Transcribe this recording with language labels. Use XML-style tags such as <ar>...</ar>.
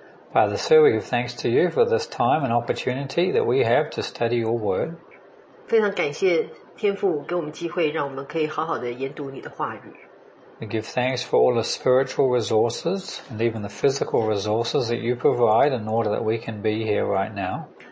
<en>Father, sir, we give thanks to you for this time and opportunity that we have to study your word.</en> <zh>非常感谢天父给我们机会，让我们可以好好的研读你的话语。</zh> <en>We give thanks for all the spiritual resources and even the physical resources that you provide in order that we can be here right now.</en>